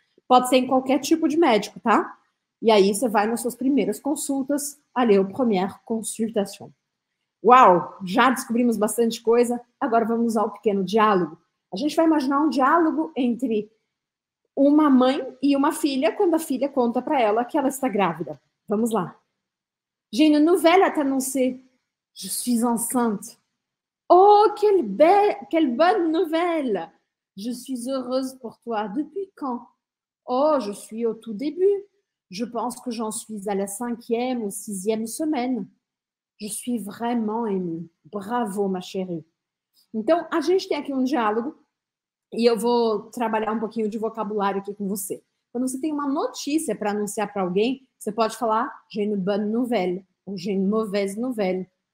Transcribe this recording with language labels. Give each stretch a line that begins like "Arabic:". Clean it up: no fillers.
Portuguese: Pode ser em qualquer tipo de médico, tá? E aí você vai nas suas primeiras consultas, ali o
French: première consultation.
Portuguese: Uau, já descobrimos bastante coisa. Agora vamos ao pequeno diálogo. A gente vai imaginar um diálogo entre uma mãe e uma filha quando a filha conta para ela que ela está grávida. Vamos lá.
French: J'ai une nouvelle à t'annoncer. Je suis enceinte. Oh, quelle bonne nouvelle! Je suis heureuse pour toi. Depuis quand? Oh, je suis au tout début. Je pense que j'en suis à la cinquième ou sixième semaine. Je suis vraiment émue. Bravo, ma chérie.
Portuguese: Então, a gente tem aqui um diálogo e eu vou trabalhar um pouquinho de vocabulário aqui com você. Quando você tem uma notícia para anunciar para alguém, você pode falar
French: J'ai une bonne nouvelle
Portuguese: ou
French: J'ai une mauvaise nouvelle.